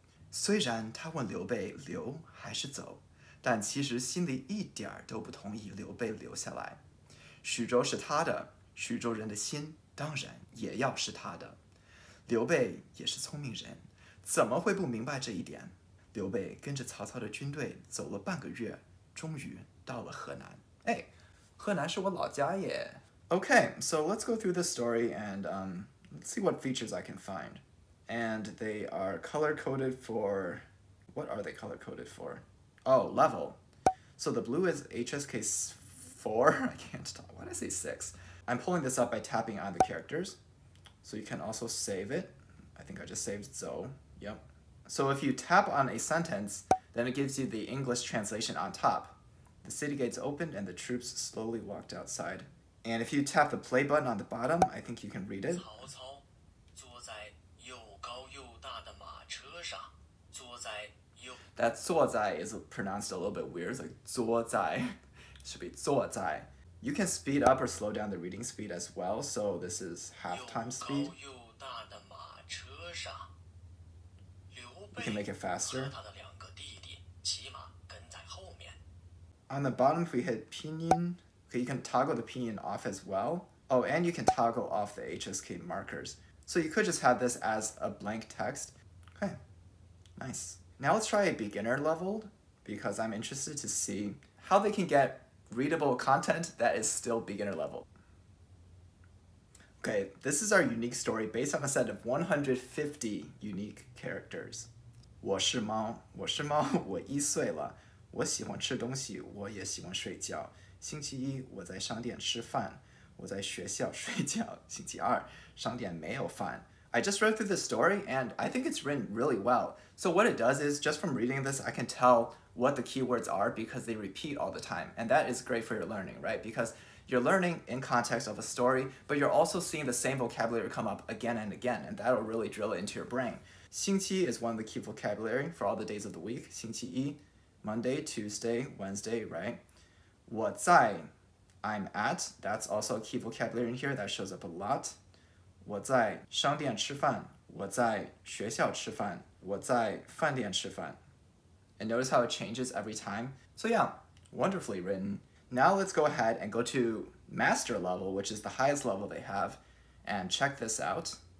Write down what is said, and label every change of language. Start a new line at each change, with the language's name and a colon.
Chinese: 虽然他问刘备留还是走，但其实心里一点都不同意刘备留下来。徐州是他的，徐州人的心当然也要是他的。刘备也是聪明人，怎么会不明白这一点？刘备跟着曹操的军队走了半个月，终于到了河南。哎，河南是我老家耶。
English: Okay, so let's go through the story and see what features I can find. And they are color-coded for... What are they color-coded for? Oh, level. So the blue is HSK 4. I can't talk. Why did I say 6? I'm pulling this up by tapping on the characters. So you can also save it. I think I just saved Zou. Yep. So if you tap on a sentence, then it gives you the English translation on top. The city gates opened and the troops slowly walked outside. And if you tap the play button on the bottom, I think you can read it.
Chinese: 曹操坐在又高又大的马车上，坐在又
English: That 坐在 is pronounced a little bit weird. It's like 坐在 should be 坐在. You can speed up or slow down the reading speed as well. So this is half time speed.
Chinese: 又高又大的马车上，刘备
English: You can make it faster.
Chinese: 和他的两个弟弟骑马跟在后面.
English: On the bottom, if we hit pinyin. Okay, you can toggle the pinyin off as well. Oh, and you can toggle off the HSK markers. So you could just have this as a blank text. Okay, nice. Now let's try a beginner level because I'm interested to see how they can get readable content that is still beginner level. Okay, this is our unique story based on a set of 150 unique characters.
Chinese: 我是猫，我是猫，我一岁了。我喜欢吃东西，我也喜欢睡觉。星期一我在商店吃饭，我在学校睡觉。星期二商店没有饭。
English: I just read through this story and I think it's written really well. So what it does is just from reading this, I can tell what the keywords are because they repeat all the time. And that is great for your learning, right? Because You're learning in context of a story, but you're also seeing the same vocabulary come up again and again, and that'll really drill it into your brain. 星期 is one of the key vocabulary for all the days of the week. 星期一, Monday, Tuesday, Wednesday, right? 我在, I'm at, that's also a key vocabulary in here that shows up a lot.
Chinese: 我在商店吃饭, 我在学校吃饭, 我在饭店吃饭.
English: And notice how it changes every time? So yeah, wonderfully written. Now let's go ahead and go to master level, which is the highest level they have, and check this out.